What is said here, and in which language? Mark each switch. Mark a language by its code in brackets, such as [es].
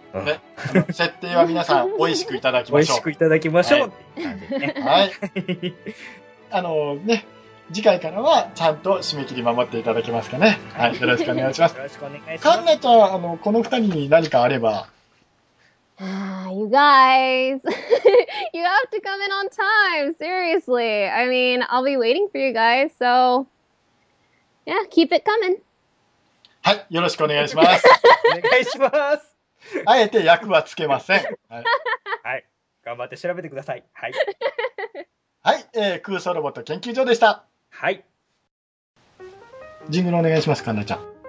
[ja] はい、うん、設定は皆さん美味しくいただきましょう、美味しくいただきましょう、はい、ね、はい、ね、次回からはちゃんと締め切り守っていただけますかね。はい、よろしくお願いします。よろしくお願いします。カンナちゃん、この二人に何かあれば。 [en] You guys, you have to come in on time. Seriously, I mean, I'll be waiting for you guys. So, yeah, keep it coming. [ja] はい、よろしくお願いします。お願いします。あえて役はつけません。はい、はい、頑張って調べてください。はい。はい、空想ロボット研究所でした。はい、ジングルお願いします、かんなちゃん。